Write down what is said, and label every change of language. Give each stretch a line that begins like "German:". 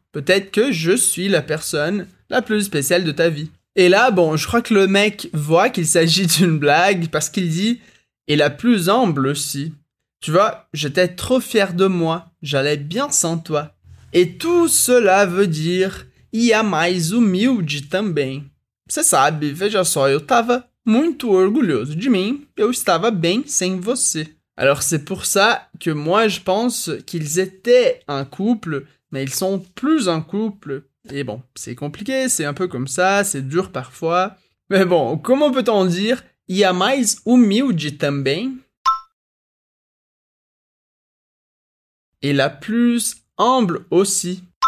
French: « Peut-être que je suis la personne la plus spéciale de ta vie ». Et là, bon, je crois que le mec voit qu'il s'agit d'une blague parce qu'il dit « et la plus humble aussi ». Tu vois, j'étais trop fier de moi, j'allais bien sans toi. Et tout cela veut dire «
Portuguese: ia mais humilde também ». Você sabe, veja só, eu tava muito orgulhoso de mim, eu estava bem sem você.
French: Alors c'est pour ça que moi je pense qu'ils étaient un couple, mais ils sont plus un couple. Et bon, c'est compliqué, c'est un peu comme ça, c'est dur parfois. Mais bon, comment peut-on dire «
Portuguese: ia mais humilde também
French: » et la plus humble aussi.